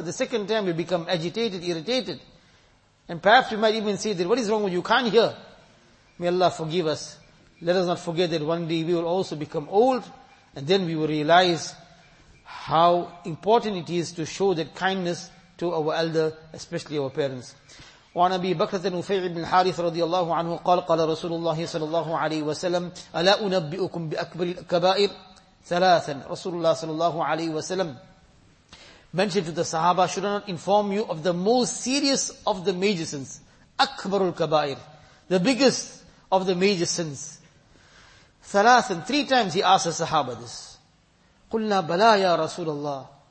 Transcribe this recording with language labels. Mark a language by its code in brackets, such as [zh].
[en] The second time we become agitated, irritated. And perhaps we might even say that, what is wrong with you? You can't hear. May Allah forgive us. Let us not forget that one day we will also become old, and then we will realize how important it is to show that kindness to our elder, especially our parents. [ar] وعن أبي بكرة نفيع بن الحارث رضي الله عنه قال قال رسول الله صلى الله عليه وسلم ألا أنبئكم بأكبر الكبائر ثلاثا. [en] رسول الله صلى الله عليه وسلم mentioned to the Sahaba, should I not inform you of the most serious of the major sins, [ar] أكبر الكبائر, [en] the biggest of the major sins. ثلاثا, three times he asked the Sahaba this. [ar] قلنا بلا يا رسول الله.